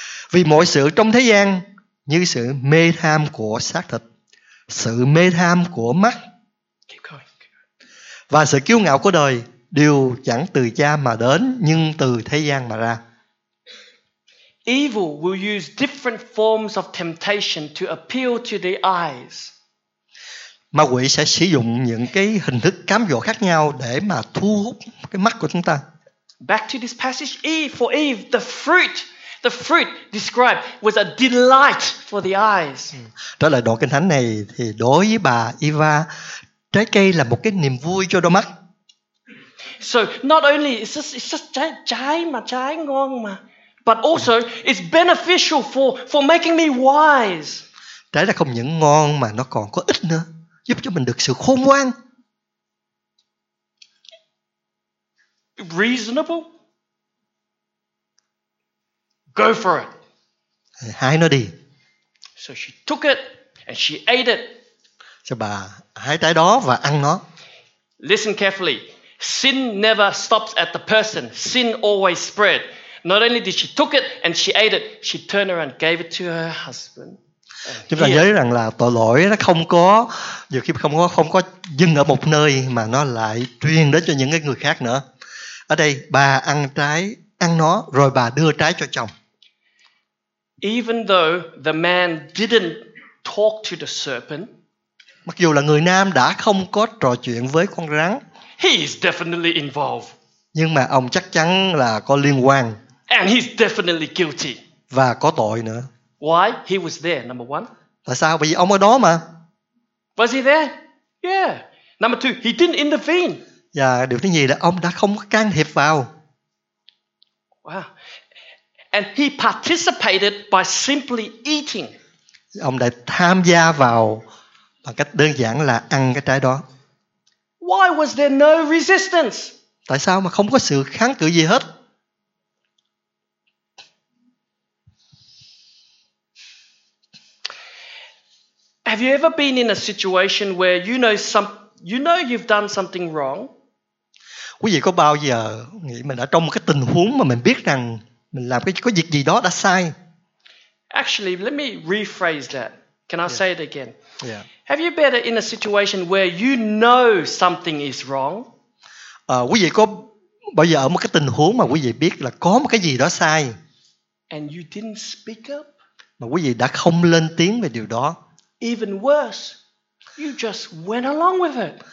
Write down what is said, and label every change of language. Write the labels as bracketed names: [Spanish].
[Vietnamese] Vì mọi sự trong thế gian như sự mê tham của xác thịt, sự mê tham của mắt và sự kiêu ngạo của đời đều chẳng từ Cha mà đến nhưng từ thế gian mà ra. [English] Evil will use different forms of temptation to appeal to the eyes. [Vietnamese] Ma quỷ sẽ sử dụng những cái hình thức cám dỗ khác nhau để mà thu hút cái mắt của chúng ta. [English] Back to this passage, Eve, for Eve, the fruit described was a delight for the eyes. [Vietnamese] Trở lại đoạn Kinh Thánh này thì đối với bà Eva, trái cây là một cái niềm vui cho đôi mắt. [English] So not only it's just [Vietnamese] trái ngon mà, [English] but also it's beneficial for making me wise. [Vietnamese] Trái là không những ngon mà nó còn có ích nữa, giúp cho mình được sự khôn ngoan. [English] Reasonable. Go for it. [Vietnamese] Hái nó đi. [English] So she took it and she ate it. [Vietnamese] Cho bà hái trái đó và ăn nó. [English] Listen carefully. Sin never stops at the person. Sin always spread. Not only did she took it and she ate it, she turned around and gave it to her husband. [Vietnamese] Chúng ta nhớ rằng là tội lỗi nó không có, nhiều khi không có dừng ở một nơi mà nó lại truyền đến cho những cái người khác nữa. Ở đây bà ăn trái, ăn nó rồi bà đưa trái cho chồng. [English] Even though the man didn't talk to the serpent, [Vietnamese] mặc dù là người nam đã không có trò chuyện với con rắn, [English] he is definitely involved. [Vietnamese] Nhưng mà ông chắc chắn là có liên quan. [English] And he's definitely guilty. [Vietnamese] Và có tội nữa. [English] Why? He was there, number one. [Vietnamese] Tại sao? Bởi vì ông ở đó mà. [English] Was he there? Yeah. Number two, he didn't intervene. [Vietnamese] Và điều thứ nhì là ông đã không can thiệp vào. [English] Wow. And he participated by simply eating. [Vietnamese] Ông đã tham gia vào bằng cách đơn giản là ăn cái trái đó. [English] Why was there no resistance? [Vietnamese] Tại sao mà không có sự kháng cự gì hết? [English] Have you ever been in a situation where you've done something wrong? [Vietnamese] Quý vị có bao giờ nghĩ mình đã trong một cái tình huống mà mình biết rằng mình làm cái có việc gì đó đã sai? [English] Actually, let me rephrase that. Can I say it again? Yeah. Have you been in a situation where you know something is wrong? [Vietnamese] Quý vị có bao giờ ở một cái tình huống mà quý vị biết là có một cái gì đó sai? [English] And you didn't speak up? [Vietnamese] Mà quý vị đã không lên tiếng về điều đó? [English] Even worse, you just went along with it.